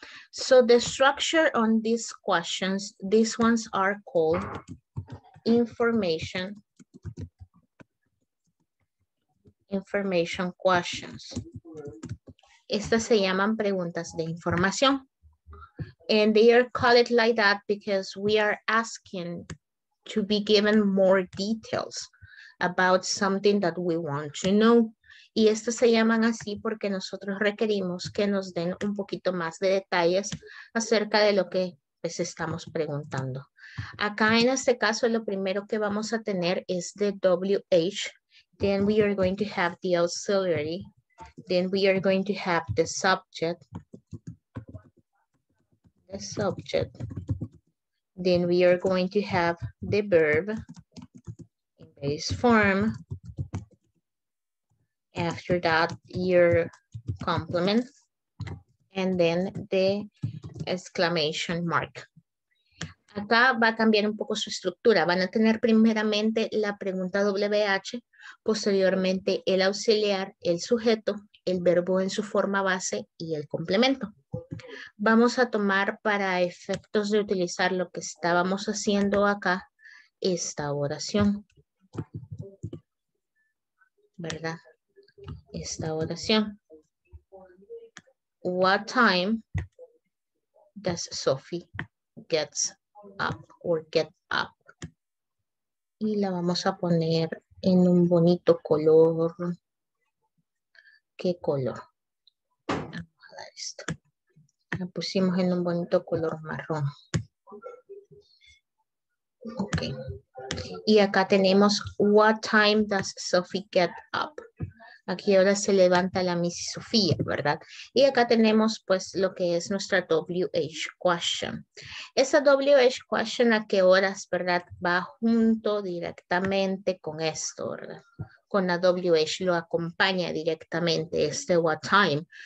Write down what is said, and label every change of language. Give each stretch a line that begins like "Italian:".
English: So the structure on these questions, these ones are called information questions.
Spanish: Estas se llaman preguntas de información.
English: And they are called like that because we are asking to be given more details about something that we want to know.
Spanish: Y estas se llaman así porque nosotros requerimos que nos den un poquito más de detalles acerca de lo que pues, estamos preguntando. Acá en este caso lo primero que vamos a tener es the WH.
English: Then we are going to have the auxiliary. Then we are going to have the subject. The subject. Then we are going to have the verb in base form. After that, your complement, and then the exclamation mark.
Spanish: Acá va a cambiar un poco su estructura. Van a tener primeramente la pregunta WH, posteriormente el auxiliar, el sujeto, el verbo en su forma base y el complemento. Vamos a tomar para efectos de utilizar lo que estábamos haciendo acá esta oración. ¿Verdad? Esta oración.
English: what time does Sophie gets up or get up?
Spanish: Y la vamos a poner en un bonito color. ¿Qué color? Vamos a dar esto. La pusimos en un bonito color marrón. Ok. Y acá tenemos,
English: what time does Sophie get up?
Spanish: Aquí ahora se levanta la Miss Sofía, ¿verdad? Y acá tenemos pues lo que es nuestra WH question. Esa WH question, ¿a qué horas, verdad? Va junto directamente con esto, ¿verdad? Con la WH lo acompaña directamente, este what time.